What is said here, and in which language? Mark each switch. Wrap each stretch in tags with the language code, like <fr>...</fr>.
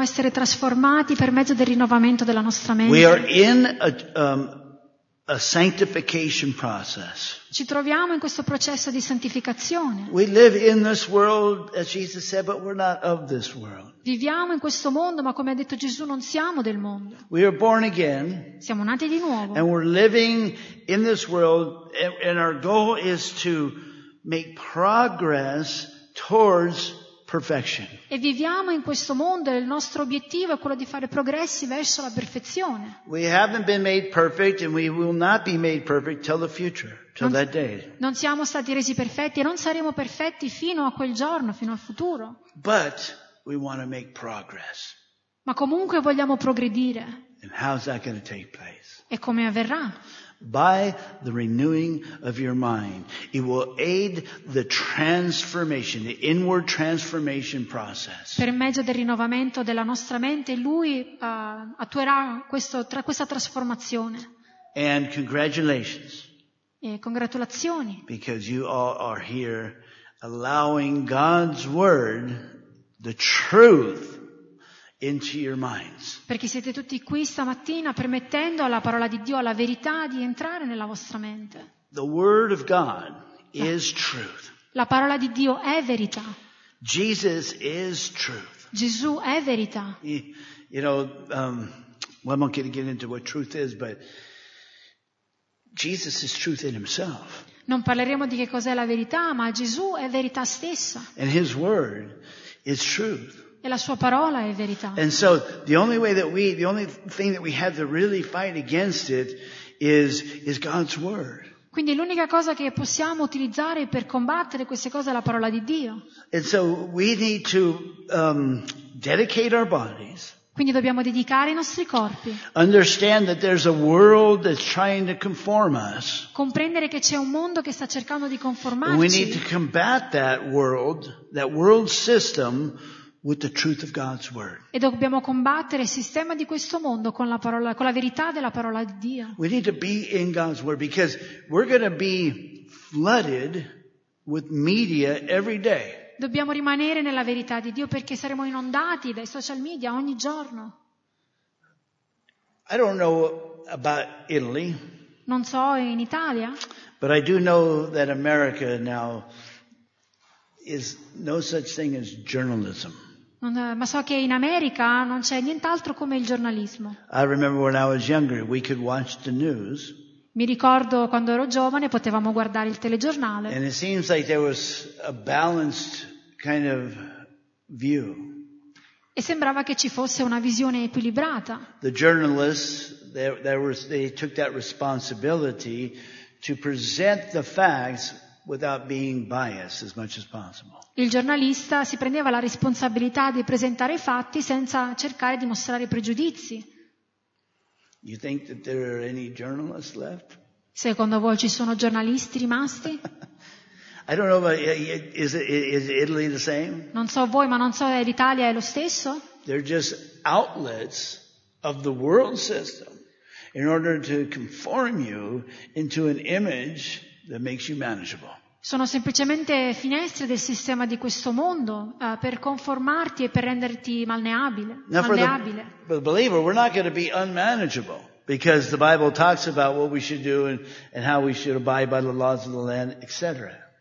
<it>essere trasformati per mezzo del rinnovamento della nostra mente.</it> <en>We are in a sanctification process.</en> <it>Ci troviamo in questo processo di santificazione.</it> <en>We live in this world, as Jesus said, but we're not of this world.</en> <it>Viviamo in questo mondo, ma come ha detto Gesù, non siamo del mondo.</it> <en>We are born again.</en> <it>Siamo nati di nuovo.</it> <en>And we're living in this world, and our goal is to make progress towards perfection.</en> <it>E viviamo in questo mondo e il nostro obiettivo è quello di fare progressi verso la perfezione.</it> <en>We haven't been made perfect and we will not be made perfect till the future, till that day.</en> <it>Non siamo stati resi perfetti e non saremo perfetti fino a quel giorno, fino al futuro.</it> <en>But we want to make progress.</en> <it>Ma comunque vogliamo progredire.</it> <en>And how's that going to take place?</en> <it>E come avverrà?</it> <en>By the renewing of your mind, it will aid the transformation, the inward transformation process.</en> <it>Per mezzo del rinnovamento della nostra mente, lui attuerà questa trasformazione.</it> <en>And congratulations.</en> <it>E congratulazioni.</it> <en>Because you all are here, allowing God's word, the truth, into your minds.</en> <it>Perché siete tutti qui stamattina permettendo alla parola di Dio, alla verità, di entrare nella vostra mente.</it> <en>The word of God is truth.</en> <it>La parola di Dio è verità.</it> <en>Jesus is truth.</en> <it>Gesù è verità.</it> <en>You know, well, I'm not going to get into what truth is, but Jesus is truth in himself.</en> <it>Non parleremo di che cos'è la verità, ma Gesù è verità stessa.</it> <en>And his word is truth.</en> <it>E la sua parola è verità.</it> <en>And so the only way that the only thing that we have to really fight against it is God's word.</en> <it>Quindi l'unica cosa che possiamo utilizzare per combattere queste cose è la parola di Dio.</it> <en>And so we need to dedicate our bodies.</en> <it>Quindi dobbiamo dedicare i nostri corpi.</it> <en>Understand that there's a world that's trying to conform us.</en> <it>Comprendere che c'è un mondo che sta cercando di conformarci.</it> <en>We need to combat that world system with the truth of God's word.</en> <it>E dobbiamo combattere il sistema di questo mondo con la parola, con la verità della parola di Dio.</it> <en>We need to be in God's word because we're going to be flooded with media every day.</en> <it>Dobbiamo rimanere nella verità di Dio perché saremo inondati dai social media ogni giorno.</it> <en>I don't know about Italy.</en> <it>Non so in Italia.</it> <en>But I do know that America now is no such thing as journalism.</en> <it>Ma so che in America non c'è nient'altro come il giornalismo.</it> <en>I remember when I was younger, we could watch the news.</en> <it>Mi ricordo quando ero giovane potevamo guardare il telegiornale.</it> <en>And it seems like there was a balanced kind of view.</en> <it>E sembrava che ci fosse una visione equilibrata.</it> <en>The journalists, they took that responsibility to present the facts without being biased as much as possible.</en> <it>Il giornalista si prendeva la responsabilità di presentare i fatti senza cercare di mostrare pregiudizi.</it> <en>You think that there are any journalists left?</en> <it>Secondo voi ci sono giornalisti rimasti?</it> <en>I don't know, but is Italy the same?</en> <it>Non so voi, ma non so, l'Italia è lo stesso?</it> <en>They're just outlets of the world system in order to conform you into an image that makes you manageable.</en> <it>Sono semplicemente finestre del sistema di questo mondo per conformarti e per renderti malleabile.</it> <en>For the believer, we're not going to be unmanageable because the Bible talks about what we should do and how we should abide by the laws of the land, etc.</en>